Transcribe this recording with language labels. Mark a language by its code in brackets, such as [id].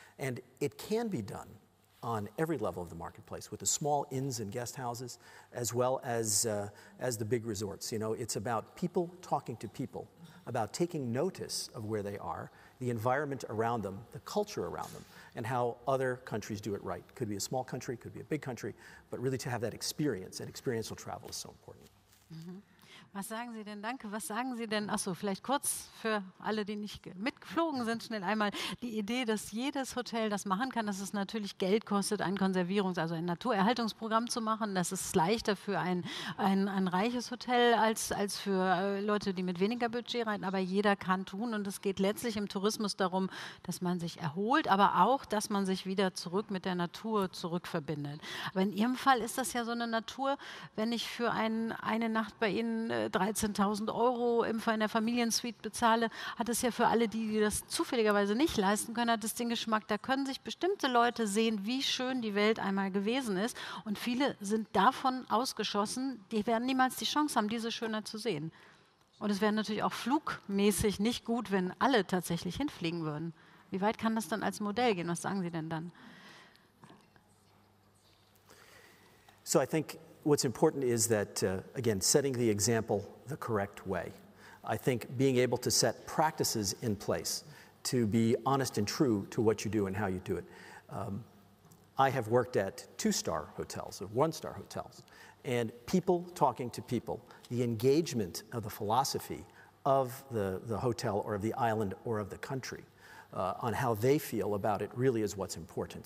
[en] And it can be done on every level of the marketplace, with the small inns and guest houses, as well as the big resorts. You know, it's about people talking to people, about taking notice of where they are, the environment around them, the culture around them, and how other countries do it right. Could be a small country, could be a big country, but really to have that experience, and experiential travel is so important. Mm-hmm. [de] Was sagen Sie denn, danke, was sagen Sie denn, achso, vielleicht kurz für alle, die nicht mitgeflogen sind, schnell einmal, die Idee, dass jedes Hotel das machen kann, dass es natürlich Geld kostet, ein Konservierungs-, also ein Naturerhaltungsprogramm zu machen, das ist leichter für ein reiches Hotel als für Leute, die mit weniger Budget reiten, aber jeder kann tun und es geht letztlich im Tourismus darum, dass man sich erholt, aber auch, dass man sich wieder zurück mit der Natur zurückverbindet. Aber in Ihrem Fall ist das ja so eine Natur, wenn ich für eine Nacht bei Ihnen 13.000 Euro in der Familiensuite bezahle, hat es ja für alle die, die das zufälligerweise nicht leisten können, hat es den Geschmack, da können sich bestimmte Leute sehen, wie schön die Welt einmal gewesen ist. Und viele sind davon ausgeschossen, die werden niemals die Chance haben, diese Schönheit zu sehen. Und es wäre natürlich auch flugmäßig nicht gut, wenn alle tatsächlich hinfliegen würden. Wie weit kann das dann als Modell gehen? Was sagen Sie denn dann? [en] So I think what's important is that, again, setting the example the correct way. I think being able to set practices in place to be honest and true to what you do and how you do it. I have worked at two-star hotels, or one-star hotels, and people talking to people, the engagement of the philosophy of the hotel or of the island or of the country on how they feel about it really is what's important.